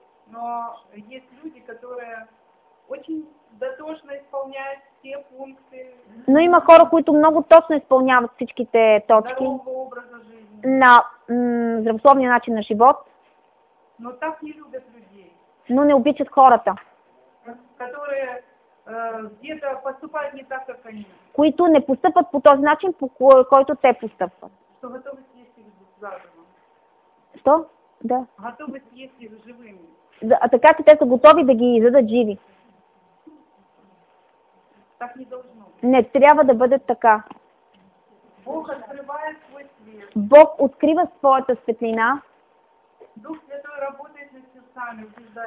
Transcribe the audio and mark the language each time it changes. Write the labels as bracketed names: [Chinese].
[Russian] Но есть люди, которые очень дотошно исполняют все функции. [Bulgarian] Но има хора, които много точно изпълняват всичките точки. [Russian] Здорового образа жизни. [Bulgarian] На здравословния начин на живот. [Russian] Но так не любят людей. [Bulgarian] Но не обичат хората. [Russian] Которые где-то поступают не так, как они. [Bulgarian] Които не постъпват по този начин, по който те постъпват. [Russian] Что готовы съесть их заживо. Что? Да. Готовы съесть их живыми. [Bulgarian] А така, че те са готови да ги изядат живи. [Russian] Так не должно. [Bulgarian] Не, трябва да бъде така. Бог открива своя свет. Бог открива своята светлина. Дух Святой работи с сърцами, убеждава